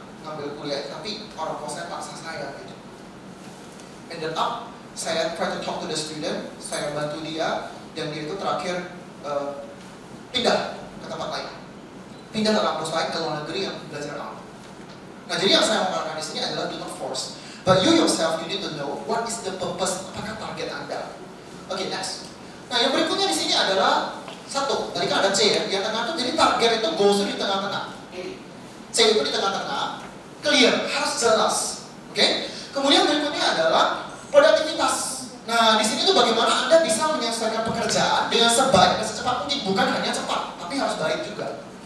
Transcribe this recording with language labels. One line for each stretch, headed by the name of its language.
Indonesian: ngambil kuliah, tapi orang tua saya paksa saya gitu.
English: Ended up,
Indonesian: saya
English: try to talk to the student,
Indonesian: saya bantu dia, dan dia itu terakhir pindah ke tempat lain. Pindah ke kampus lain, ke luar negeri yang belajar apa. Nah, jadi yang saya mengatakan di sini adalah
English: do not force. But you yourself, you need to know what is the purpose,
Indonesian: apakah target Anda.
English: Okay, next.
Indonesian: Nah, yang berikutnya di sini adalah satu, tadi kan ada C ya, yang tengah itu, jadi target itu goals di tengah-tengah. C itu di tengah-tengah, clear, harus jelas. Okay? Kemudian berikutnya adalah produktivitas. Nah, di sini itu bagaimana Anda bisa menyelesaikan pekerjaan dengan sebaik dan secepat mungkin, bukan hanya cepat, tapi harus baik juga.